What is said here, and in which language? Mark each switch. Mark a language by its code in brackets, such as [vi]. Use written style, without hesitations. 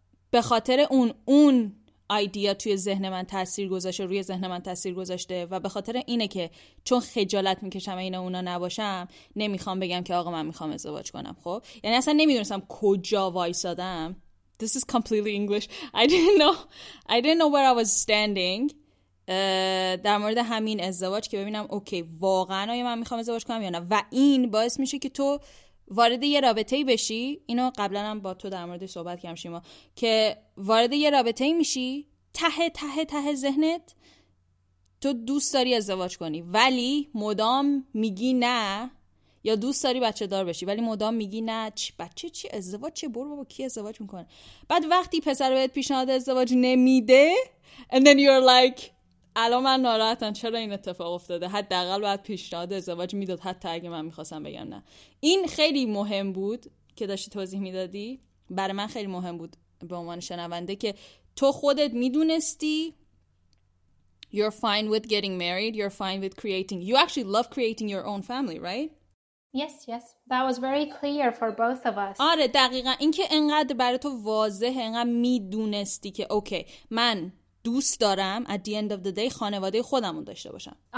[fa] به خاطر اون ایده توی ذهن من تاثیر گذاشته، روی ذهن من تاثیر گذاشته و به خاطر اینه که چون خجالت میکشم اینا اونا نباشم، نمیخوام بگم که آقا من میخوام ازدواج کنم. خب یعنی اصلا نمیدونستم کجا وایسادم. [en] This is completely English. I didn't know where I was standing. [fa] در مورد همین ازدواج که ببینم اوکی واقعا آیا من میخوام ازدواج کنم یا نه، و این باعث میشه که تو وارد یه رابطه‌ای بشی. اینو قبلا هم با تو در موردش صحبت کردم شیما، که وارد یه رابطه‌ای میشی ته ته ته ذهنت تو دوست داری ازدواج کنی ولی مدام میگی نه، یا دوست داری بچه دار بشی ولی مدام میگی نه بچه چی ازدواج چه برو بابا کی ازدواج میکنه. بعد وقتی پسر بهت پیشنهاد ازدواج نمیده [en] and then you're like [fa] الان من ناراحتم چرا این اتفاق افتاده، حداقل بعد پیشنهاد ازدواج میداد حتی اگه من میخواستم بگم نه. این خیلی مهم بود که داشتی توضیح میدادی، برای من خیلی مهم بود به عنوان شنونده که تو خودت میدونستی [en] you're fine with getting married, you're fine with creating, you actually love creating your own family, right? Yes, yes. That was very clear for both of us. [fa] آره دقیقا. این که انقدر برای تو واضحه، انقدر میدونستی که اوکی من دوست دارم [en] at the end of the day [fa] خانواده خودمون داشته باشم.